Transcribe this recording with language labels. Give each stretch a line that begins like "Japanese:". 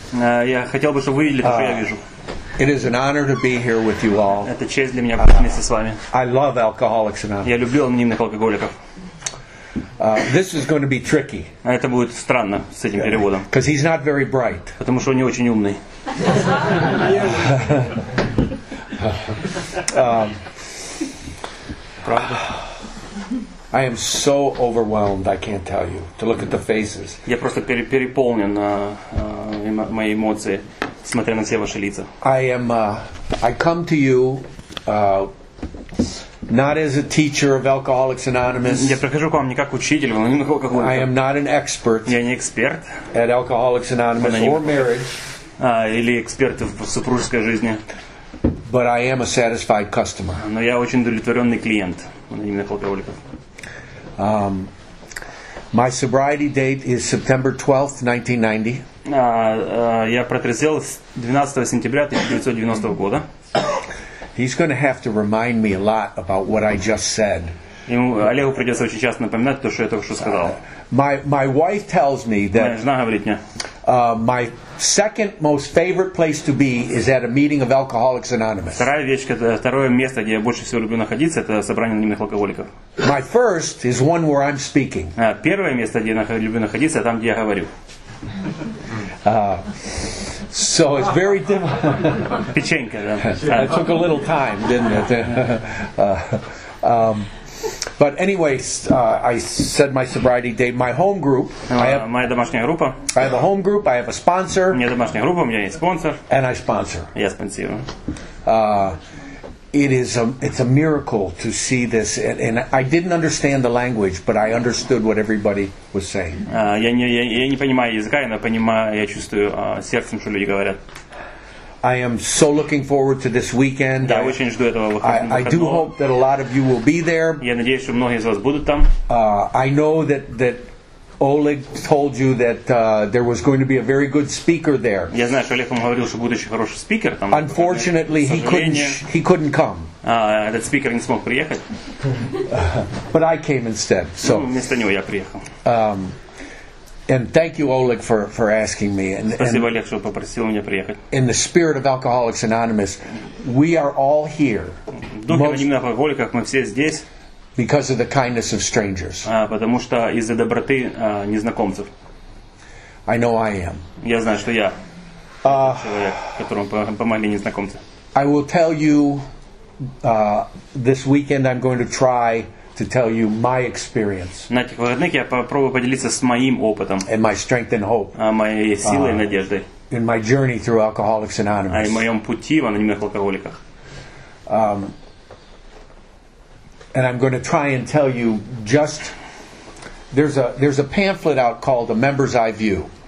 Russian: Я хотел бы, чтобы вы видели то, что я вижу.
English: It is an honor to be here with you all.
Russian: Это честь для меня быть вместе с вами.
English: I love Alcoholics Anonymous.
Russian: Я люблю анонимных алкоголиков.
English: This is going to be tricky.
Russian: Это будет странно с этим переводом.
English: Because he's not very bright.
Russian: Потому что он не очень умный. Правда?
English: I am so overwhelmed, I can't tell you, to look at the faces.
Russian: Я просто переполнен мои эмоции, смотря на все ваши лица.
English: I come to you not as a teacher of Alcoholics Anonymous.
Russian: Я прихожу к вам не как учитель, но не как
English: I am not an expert.
Russian: Я не эксперт.
English: At Alcoholics Anonymous or marriage.
Russian: Или эксперт в супружеской жизни.
English: But I am a satisfied customer.
Russian: Но я очень удовлетворенный клиент анонимных алкоголиков.
English: My sobriety date is September 12th, 1990.
Russian: Я протрезвел 12 сентября 1990 года.
English: He's going to have to remind me a lot about what I just said.
Russian: Ему Олегу придется очень часто напоминать то, что я только что сказал.
English: My wife tells me that.
Russian: Моя жена говорит мне.
English: My second most favorite place to be is at a meeting of Alcoholics Anonymous.
Russian: Вторая вещь, второе место, где я больше всего люблю находиться, это собрание анонимных алкоголиков.
English: My first is one where I'm speaking.
Russian: Первое место, где я люблю находиться, там, где я говорю.
English: So it's very different.
Russian: Печенька, да.
English: It took a little time, didn't it? But anyway, I said my sobriety date. My home group.
Russian: Моя домашняя группа.
English: I have a home group. I have a sponsor.
Russian: У меня домашняя группа, у меня есть спонсор.
English: And I sponsor.
Russian: Я спонсирую.
English: It's a miracle to see this, and I didn't understand the language, but I understood what everybody was saying.
Russian: Я не понимаю языка, но понимаю, я чувствую сердцем, что люди говорят.
English: I am so looking forward to this weekend.
Russian: Да, очень жду этого выходного.
English: I do hope that a lot of you will be there.
Russian: Я надеюсь, что многие из вас будут там.
English: I know that Oleg told you that there was going to be a very good speaker there.
Russian: Я знаю, что Олег вам говорил, что будет очень хороший спикер там.
English: Unfortunately, he couldn't come.
Russian: Этот спикер не смог приехать.
English: But I came instead. So.
Russian: Ну, вместо него я приехал.
English: And thank you, Oleg, for asking me.
Russian: Спасибо, Олег, что попросил меня приехать.
English: In the spirit of Alcoholics Anonymous, we are all here.
Russian: В духе анонимных алкоголиков мы все здесь.
English: Because of the kindness of strangers.
Russian: Потому что из-за доброты незнакомцев.
English: I know I am.
Russian: Я знаю, что я человек, которому помогли незнакомцы.
English: I will tell you this weekend. I'm going to try. To tell you my experience.
Russian: На этих выходных я попробую поделиться с моим опытом.
English: And my strength and hope.
Russian: Моей силой и надеждой.
English: In my journey through Alcoholics Anonymous.
Russian: И моем пути в анонимных алкоголиках.
English: And I'm going to try and tell you just there's a pamphlet out called The Member's Eye View.